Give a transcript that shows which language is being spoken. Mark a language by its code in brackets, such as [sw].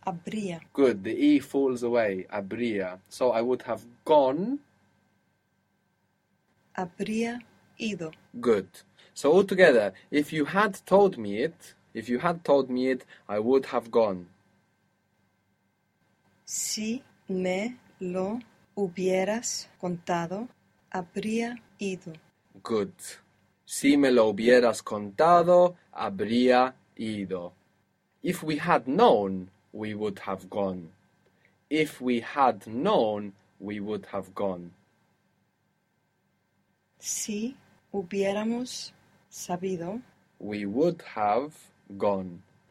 [es] Habría. [en] Good. The E falls away. Habría. So I would have gone. [es] Habría ido. [en] Good. So altogether, if you had told me it, if you had told me it, I would have gone. [es] Si me lo hubieras contado, habría ido. [en] Good. [es] Si me lo hubieras contado, habría ido. [en] If we had known, we would have gone. If we had known, we would have gone. [es] Si hubiéramos sabido, [en] we would have gone.